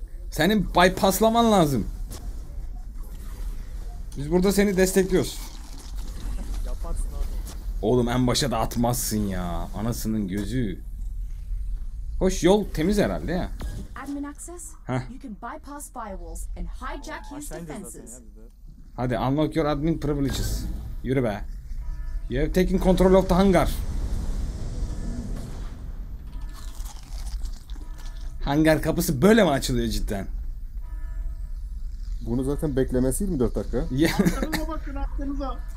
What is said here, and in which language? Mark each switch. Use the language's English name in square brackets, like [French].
[Turkish] Senin bypasslaman lazım. Biz burada seni destekliyoruz. Yaparsın abi. Oğlum en başa da atmazsın ya. Anasının gözü. Hoş yol temiz herhalde ya. [English] Admin access. You can bypass firewalls and hijack his defenses. [Turkish] Hadi [English] unlock your admin privileges. [Turkish] Yürü be. [English] You have taken control of the hangar. [Turkish] Hangar kapısı böyle mi açılıyor cidden? Bunu zaten beklemesi 24 dakika. Aklınıza bakın aklınıza.